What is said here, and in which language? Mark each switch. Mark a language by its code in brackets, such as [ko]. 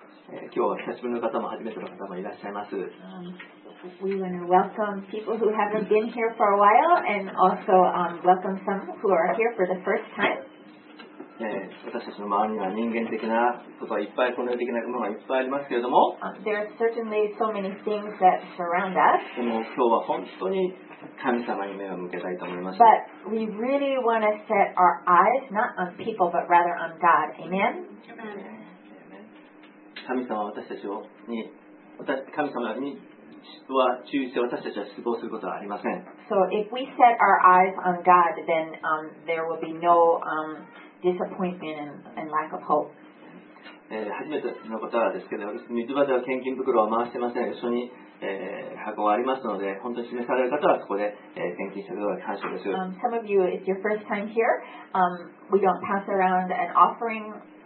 [ja] 今日は久しぶりの方も初めての方もいらっしゃいます。 [en] We want to welcome people who haven't been here for a while and also welcome some who are here for the first time. [ja] 私たちの周りには人間的なことがいっぱい、この世的なものがいっぱいありますけれども。 [en] There are certainly so many things that surround us. [ja] でも今日は本当に神様に目を向けたいと思います。 [en] But we really want to set our eyes not on people but rather on God. Amen. [ja] 神様は私たちをに神様に。は忠実で私たちは失望することはありません。 [en] So if we set our eyes on God, then there will be no disappointment and lack of hope. [ja] 初めてのことはですけど、水場では献金袋を回してません。一緒に、箱がありますので、本当に示される方はそこで、献金してください。感謝です。 [en] Some of you, it's your first time here. We don't pass around an offering.